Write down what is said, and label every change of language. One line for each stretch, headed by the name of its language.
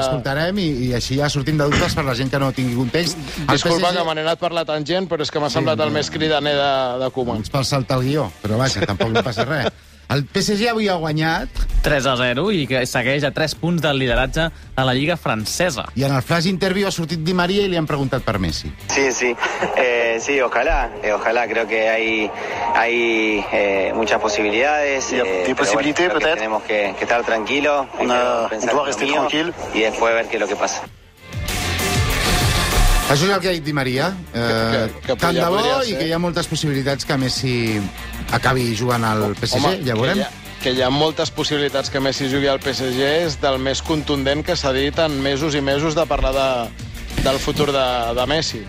Catalan: Escoltarem i així ja sortim de dubtes per la gent que no tingui context. Disculpa PSG... que me n'he anat per la tangent, però és que m'ha semblat el més cridaner de Koeman. Ens pel saltar el guió, però vaja, tampoc no passa res. El PSG avui ha guanyat 3-0 i que segueix a 3 punts del lideratge a la Lliga Francesa. I en el flash interview ha sortit Di Maria i li han preguntat per Messi.
Spanish: Sí, sí, sí, ojalá, ojalá, creo que hay muchas posibilidades. Hay
Catalan: posibilitats, bueno, potser.
Spanish: Tenemos que estar tranquilos,
Catalan: tranquil.
Spanish: Y después ver qué es lo que pasa.
Catalan: Això és el que ha dit Di Maria. Tant de bo, podria ser. I que hi ha moltes possibilitats que Messi acabi jugant al PSG. Home, ja veurem. Que hi ha moltes possibilitats que Messi jugui al PSG és del més contundent que s'ha dit en mesos i mesos de parlar del futur de Messi.